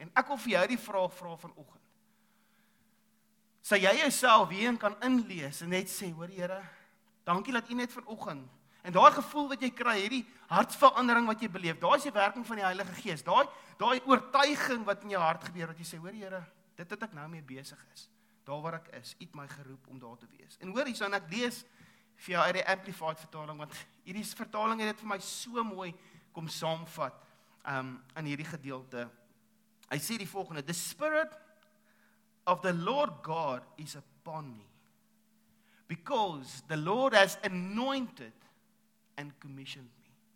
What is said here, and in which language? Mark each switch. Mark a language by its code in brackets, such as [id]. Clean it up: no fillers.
[af] En ek wil vir jou die vraag vra vanoggend. Sal jy jouself weer kan inlees en net sê, hoor Here, dankie dat U net vanoggend en daai gevoel wat jy kry, hierdie hartverandering wat jy beleef, daai is die werking van die Heilige Gees. Daai oortuiging wat in jou hart gebeur wat jy sê, hoor Here, dit het ek nou mee besig is. Daar waar ek is, U het my geroep om daar te wees. En hoor hier, ek lees vir jou uit die Amplified vertaling want hierdie vertaling het dit vir my so mooi kom saamvat in hierdie gedeelte. Hy sê die volgende: [en] The spirit of the Lord God is upon me because the Lord has anointed and commissioned me.